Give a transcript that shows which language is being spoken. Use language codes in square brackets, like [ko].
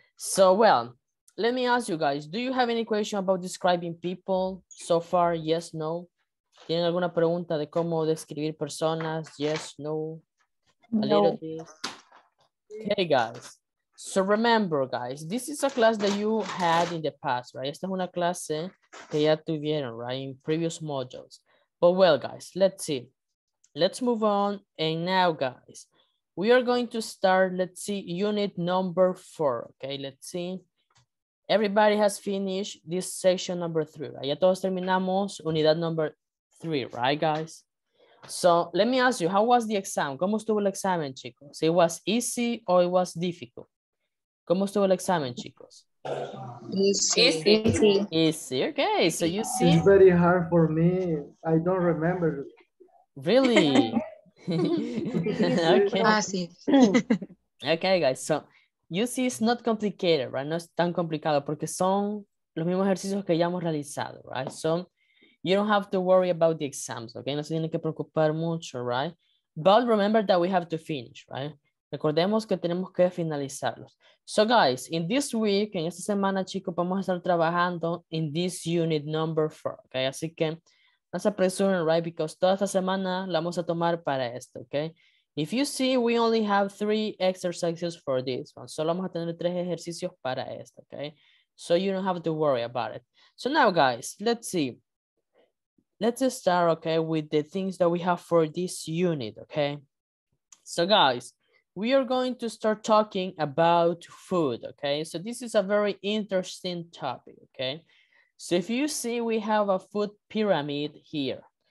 [en] So, well, let me ask you guys, do you have any question about describing people so far? Yes, no? [es] ¿Tienen alguna pregunta de cómo describir personas? Yes, no? [en] Okay, guys. So, remember, guys, this is a class that you had in the past, right? [es] Esta es una clase que ya tuvieron, right, [en] in previous modules. But, well, guys, let's see. Let's move on. And now, guys, we are going to start, let's see, unit number 4. Okay, let's see. Everybody has finished this section number 3. Right? [es] Ya todos terminamos unidad [en] number 3, right, guys? So let me ask you, how was the exam? [es] ¿Cómo estuvo el examen, chicos? [en] It was easy or it was difficult? [es] ¿Cómo estuvo el examen, chicos? [en] Easy. Okay, so you see. It's very hard for me. I don't remember. Really? Okay. Okay, guys. So you see, it's not complicated, right? [es] No es tan complicado porque son los mismos ejercicios que ya hemos realizado, right? [en] So you don't have to worry about the exams, okay? [es] No se tiene que preocupar mucho, [en] right? But remember that we have to finish, right? [es] Recordemos que tenemos que finalizarlos. [en] So guys, in this week, [es] en esta semana, chicos, vamos a estar trabajando [en] in this unit number 4, [es] okay? Así que no se apresuren, right? Because toda esta semana la vamos a tomar para esto, okay? [en] If you see, we only have 3 exercises for this one. [es] Solo vamos a tener 3 ejercicios para esto, okay? [en] So you don't have to worry about it. So now, guys, let's see. Let's start, okay, with the things that we have for this unit, okay? So guys, we are going to start talking about food, okay? So this is a very interesting topic, okay? So if you see, we have a food pyramid here.